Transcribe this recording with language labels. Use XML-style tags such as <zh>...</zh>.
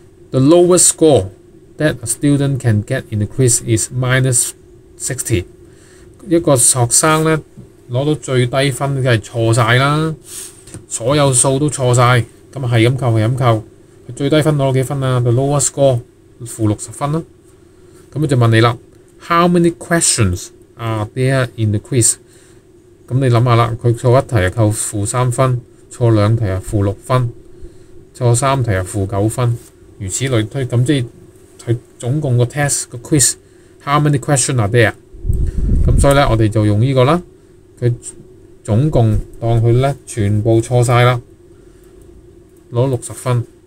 <en>the lowest score that a student can get in the quiz is minus 60。</en> <yue>一個學生咧攞到最低分梗係錯曬啦，所有數都錯曬，咁係咁扣係咁扣。最低分攞到幾分啊 ？</yue> <en>The lowest score</en> <yue>負60分啦。咁就問你啦</yue> <en>，How many questions are there in the quiz？</en> <yue>咁你諗下啦，佢錯一題啊扣負3分，錯兩題啊負6分，錯3題啊負9分，如此類推。咁即係佢總共個 test 個 quiz</yue> <en>How many questions are there？</en> <yue>咁所以咧，我哋就用呢個啦。佢總共當佢咧全部錯曬啦，攞60分。</yue>